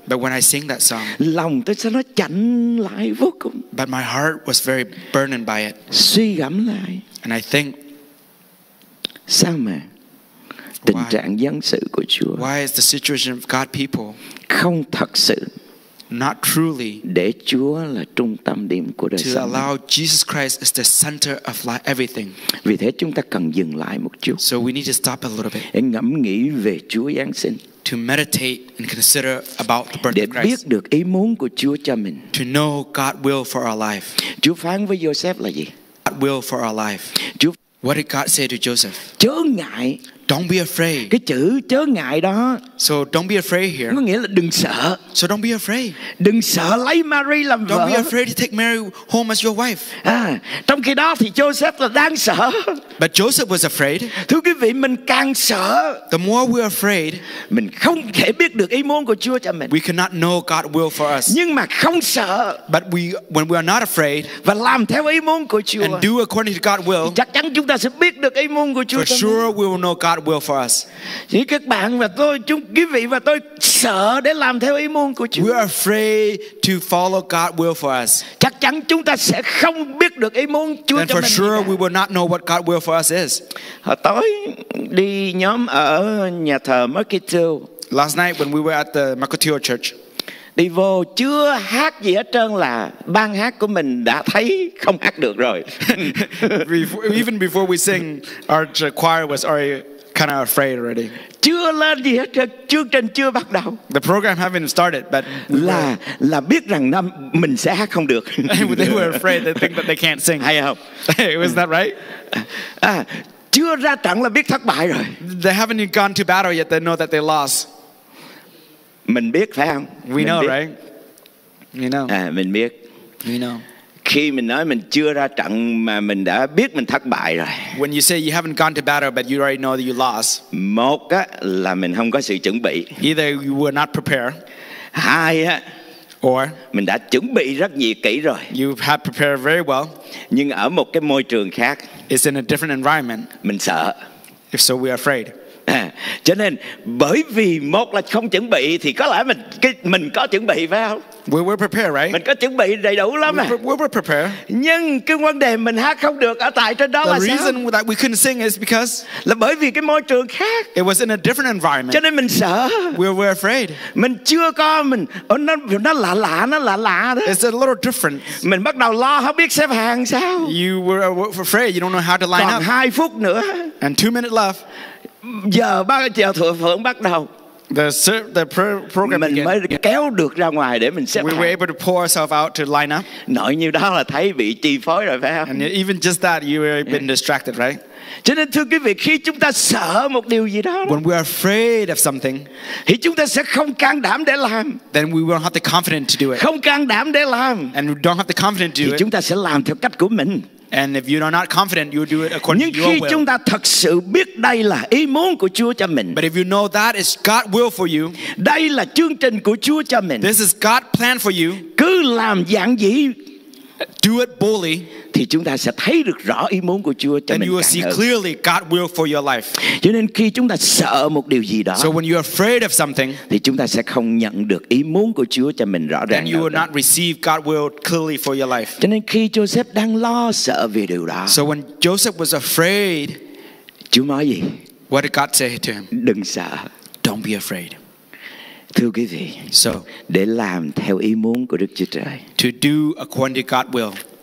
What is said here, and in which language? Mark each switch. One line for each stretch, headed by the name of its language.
English: but when I sing that song,
Vietnamese: lòng tôi sẽ nó chạnh lại vô cùng.
English: But my heart was very burdened by it.
Vietnamese: Suy gẫm lại.
English: And I think,
Vietnamese: sao mà tình trạng dân sự của Chúa,
English: why is the situation of God people,
Vietnamese: không thật sự,
English: not truly,
Vietnamese: để Chúa là trung tâm điểm của đời sống,
English: to allow Jesus Christ is the center of life, everything.
Vietnamese: Vì thế chúng ta cần dừng lại một chút.
English: So we need to stop a little bit.
Vietnamese: Để ngẫm nghĩ về Chúa Giáng sinh.
English: To meditate and consider about the birth
Vietnamese: để
English: of Christ.
Vietnamese: Để biết được ý muốn của Chúa cho mình.
English: To know God's will for our life.
Vietnamese: Chúa phán với Joseph là gì?
English: God's will for our life. What did God say to Joseph?
Vietnamese: Chớ ngại.
English: Don't be afraid.
Vietnamese: Cái chữ chớ ngại đó.
English: So don't be afraid here.
Vietnamese: Có nghĩa là đừng sợ.
English: So don't be afraid.
Vietnamese: Đừng sợ lấy Mary làm vợ.
English: Don't be afraid to take Mary home as your wife.
Vietnamese: Trong khi đó thì Joseph là đang sợ.
English: But Joseph was afraid.
Vietnamese: Thưa quý vị, mình càng sợ.
English: The more we're afraid,
Vietnamese: mình không thể biết được ý muốn của Chúa cho mình.
English: We cannot know God's will for us.
Vietnamese: Nhưng mà không sợ.
English: But when we are not afraid,
Vietnamese: và làm theo ý muốn của Chúa.
English: And do according to God's will.
Vietnamese: Chắc chắn chúng ta sẽ biết được ý muốn của Chúa.
English: For sure we will know God's will for us.
Vietnamese: Chỉ các bạn và tôi, quý vị và tôi sợ để làm theo ý muốn của Chúa.
English: We are afraid to follow God's will for us.
Vietnamese: Chắc chắn chúng ta sẽ không biết được ý muốn Chúa cho mình.
English: Then for sure we will not know what God's will for us is.
Vietnamese: Hồi tối đi nhóm ở nhà thờ Marketo.
English: Last night when we were at the Marketo Church,
Vietnamese: đi vô chưa hát gì hết trơn là ban hát của mình đã thấy không hát được rồi.
English: Even before we sing, our choir was already kind of afraid already.
Vietnamese: Chưa lên gì hết, chương trình chưa bắt đầu.
English: The program haven't started, but
Vietnamese: là biết rằng năm mình sẽ hát không được.
English: They were afraid. They think that they can't sing.
Vietnamese: Hay không?
English: Was that right?
Vietnamese: Chưa ra trận là biết thất bại rồi.
English: They haven't even gone to battle yet. They know that they lost.
Vietnamese: Mình biết phải không?
English: We know, right?
Vietnamese: Mình biết.
English: We know.
Vietnamese: Khi mình nói mình chưa ra trận mà mình đã biết mình thất bại rồi.
English: When you say you haven't gone to battle but you already know that you lost.
Vietnamese: Một á là mình không có sự chuẩn bị.
English: Either you were not prepared.
Vietnamese: Hai á.
English: Or.
Vietnamese: Mình đã chuẩn bị rất nhiều kỹ rồi.
English: You have prepared very well.
Vietnamese: Nhưng ở một cái môi trường khác.
English: It's in a different environment.
Vietnamese: Mình sợ.
English: If so, we are afraid.
Vietnamese: Cho nên bởi vì một là không chuẩn bị thì có lẽ mình có chuẩn bị phải không?
English: We were prepared, right?
Vietnamese: Mình có chuẩn bị đầy đủ lắm.
English: We were prepared.
Vietnamese: Nhưng cái vấn đề mình hát không được ở tại trên đó
English: the
Vietnamese: là sao?
English: The reason that we couldn't sing is because
Vietnamese: là bởi vì cái môi trường khác.
English: It was in a different environment.
Vietnamese: Cho nên mình sợ.
English: We were afraid.
Vietnamese: Mình chưa có mình nó lạ đó.
English: It's a little different.
Vietnamese: Mình bắt đầu lo không biết xếp hàng sao?
English: You were afraid. You don't know how to line up.
Vietnamese: Còn 2 phút nữa.
English: And 2 minutes left.
Vietnamese: Giờ bắt giờ thừa phượng bắt đầu.
English: The program
Vietnamese: mình
English: began.
Vietnamese: Mới kéo được ra ngoài để mình xếp hàng.
English: We were able to pull ourselves out to line up.
Vietnamese: Nói như đó là thấy bị chi phối rồi phải không?
English: And even just that you were been distracted, right?
Vietnamese: Cho nên thưa quý vị, khi chúng ta sợ một điều gì đó,
English: when we are afraid of something,
Vietnamese: thì chúng ta sẽ không can đảm để làm.
English: Then we won't have the confidence to do it.
Vietnamese: Không can đảm để làm.
English: And we don't have the confidence to do it.
Vietnamese: Thì chúng ta sẽ làm theo cách của mình.
English: And if you are not confident, you will do it according
Vietnamese: Nhưng
English: to your will.
Vietnamese: Nhưng khi chúng ta thật sự biết đây là ý muốn của Chúa cho mình.
English: But if you know that is God's will for you.
Vietnamese: Đây là chương trình của Chúa cho mình.
English: This is God's plan for you.
Vietnamese: Cứ làm dạng gì.
English: Do it boldly.
Vietnamese: Thì chúng ta sẽ thấy được rõ ý muốn của Chúa cho
English: then
Vietnamese: mình
English: you will see
Vietnamese: hơn.
English: Clearly God's will for your life.
Vietnamese: Cho nên khi chúng ta sợ một điều gì đó.
English: So when you are afraid of something.
Vietnamese: Thì chúng ta sẽ không nhận được ý muốn của Chúa cho mình rõ ràng.
English: Then you will not receive God's will clearly for your life.
Vietnamese: Cho nên khi Joseph đang lo sợ về điều đó.
English: So when Joseph was afraid.
Vietnamese: Chúa nói gì?
English: What did God say to him?
Vietnamese: Đừng sợ.
English: Don't be afraid.
Vietnamese: Thưa quý vị,
English: so,
Vietnamese: để làm theo ý muốn của Đức Chúa Trời.
English: To do according to God's will.